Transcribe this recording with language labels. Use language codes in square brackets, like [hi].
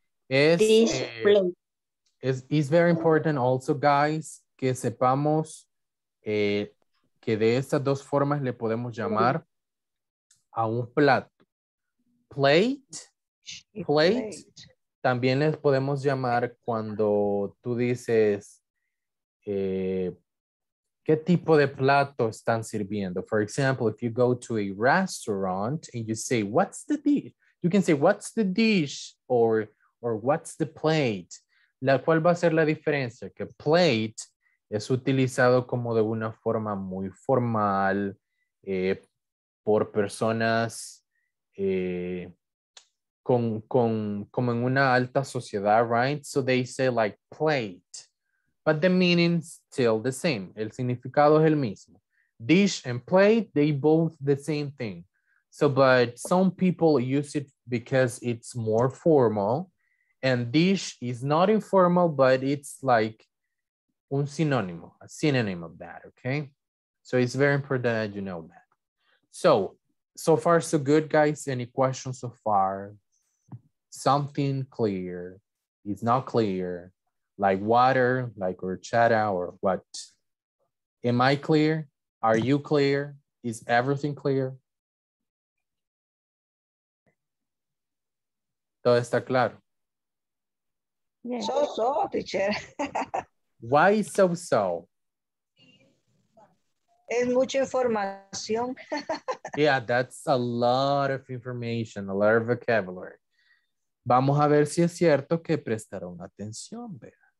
[en] It's very important also, guys, [es] que sepamos que de estas dos formas le podemos llamar a un plato. Plate, también les podemos llamar cuando tú dices qué tipo de plato están sirviendo. [en] For example, if you go to a restaurant and you say, what's the dish? You can say, what's the dish? Or what's the plate? [es] La cual va a ser la diferencia, que plate es utilizado como de una forma muy formal por personas como en una alta sociedad, right? [en] So they say like plate, but the meaning still the same. [es] El significado es el mismo. [en] Dish and plate, they both the same thing. So, but some people use it because it's more formal. And dish is not informal, but it's like [es] un sinónimo, [en] a synonym of that, okay? So it's very important that you know that. So far so good, guys. Any questions so far? Something clear, it's not clear, like water, like horchata, or what? Am I clear? Are you clear? Is everything clear? [es] Todo está claro. [en] Yes. So, teacher. Why so? [es] Es mucha información. [en] Yeah, that's a lot of information, a lot of vocabulary. [es] Vamos a ver si es cierto que prestaron atención, vea.